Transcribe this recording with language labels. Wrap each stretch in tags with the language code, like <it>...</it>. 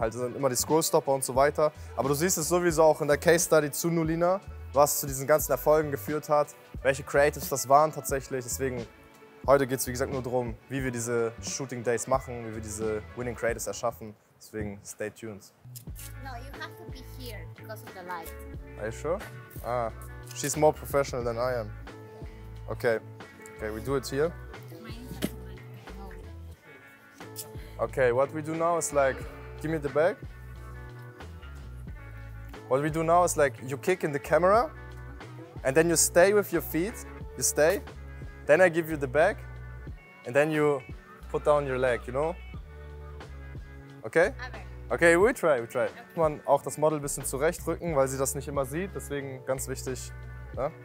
<de>Halt sind immer die Scrollstopper und so weiter. Aber du siehst es sowieso auch in der Case Study zu Nolina, was zu diesen ganzen Erfolgen geführt hat, welche Creatives das waren tatsächlich. Deswegen, heute geht es wie gesagt nur darum, wie wir diese Shooting Days machen, wie wir diese Winning Creatives erschaffen. Deswegen,</de> <en>stay tuned. No, you have to be here because of the light. Are you sure? Ah, she's more professional than I am. Okay, okay, we do it here. Okay, what we do now is like, give me the bag. What we do now is like, you kick in the camera and then you stay with your feet, you stay. Then I give you the bag and then you put down your leg, you know? Okay? Okay, we try, we try. Okay.</en> <de>Man auch das Model ein bisschen zurechtrücken, weil sie das nicht immer sieht, deswegen ganz wichtig, ne?</de>